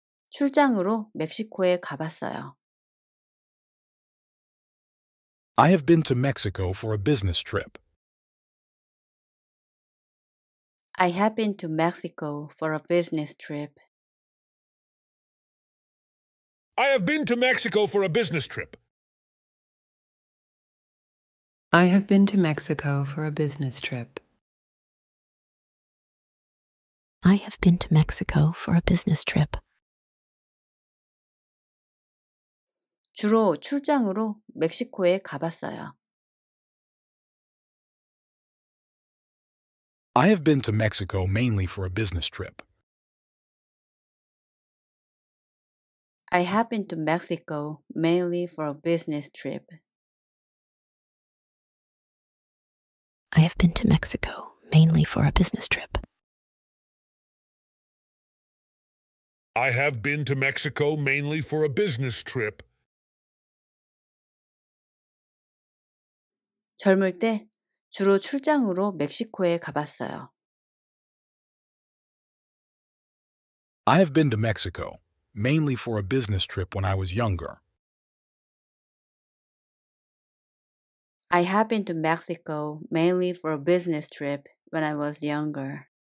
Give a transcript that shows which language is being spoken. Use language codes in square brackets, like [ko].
[ko] 출장으로 멕시코에 가봤어요. [en] I have been to Mexico for a business trip. I have been to Mexico for a business trip. I have been to Mexico for a business trip. I have been to Mexico for a business trip. I have been to Mexico for a business trip. [ko] 주로 출장으로 멕시코에 가봤어요. [en] I have been to Mexico mainly for a business trip. I have been to Mexico mainly for a business trip. I have been to Mexico mainly for a business trip. I have been to Mexico mainly for a business trip. [ko] 젊을 때 주로 출장으로 멕시코에 가봤어요. [en] I have been to Mexico mainly for a business trip when I was younger. I have been to Mexico mainly for a business trip when I was younger.